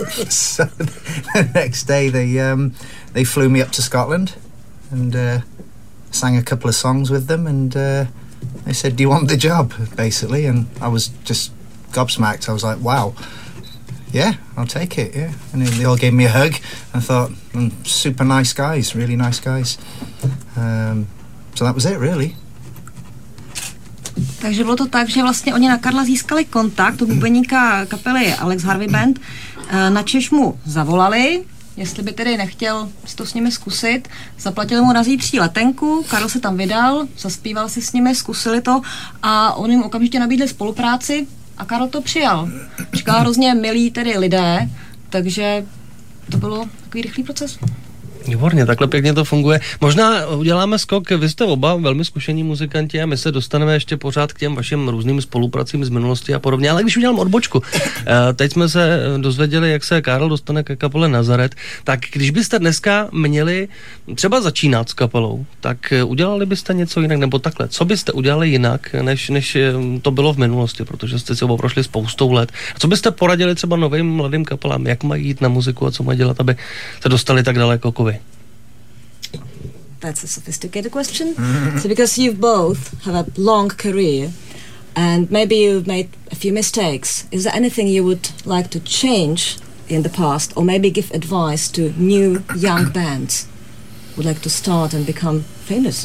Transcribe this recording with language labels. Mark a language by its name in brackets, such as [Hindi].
[English] So the next day they flew me up to Scotland and sang a couple of songs with them, and they said, do you want the job, basically? And I was just gobsmacked. I was like, wow, yeah, I'll take it, yeah. And they all gave me a hug and I thought, super nice guys, really nice guys. So that was it, really. [Czech] Takže bylo to tak, že vlastně oni na Karla získali kontakt u bubeníka kapely Alex Harvey Band, na češ mu zavolali, jestli by tedy nechtěl to s nimi zkusit. Zaplatili mu na zítří letenku, Karl se tam vydal, zaspíval si s nimi, zkusili to a on jim okamžitě nabídli spolupráci a Karl to přijal. Říkal hrozně milí tedy lidé, takže to bylo takový rychlý proces. Výborně, takhle pěkně to funguje. Možná uděláme skok, vy jste oba velmi zkušení muzikanti a my se dostaneme ještě pořád k těm vašim různým spolupracím z minulosti a podobně, ale když udělám odbočku, teď jsme se dozvěděli, jak se Karel dostane ke kapele Nazaret, tak když byste dneska měli třeba začínat s kapelou, tak udělali byste něco jinak, nebo takhle, co byste udělali jinak, než to bylo v minulosti, protože jste si oba prošli spoustou let. A co byste poradili třeba novým mladým kapelám, jak mají jít na muziku a co mají dělat, aby se dostali tak daleko? [English] That's a sophisticated question. So because you both have a long career and maybe you've made a few mistakes, is there anything you would like to change in the past or maybe give advice to new young bands who would like to start and become famous?